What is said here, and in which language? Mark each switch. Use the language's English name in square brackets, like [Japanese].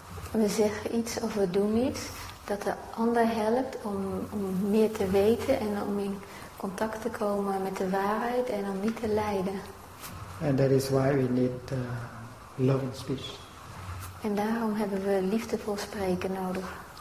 [Dutch] We zeggen iets of we doen iets dat de ander helpt om meer te weten en om in contact te komen met de waarheid en om niet te lijden. [English] And that is why we need loving speech. [Dutch] En daarom hebben we liefdevol spreken nodig.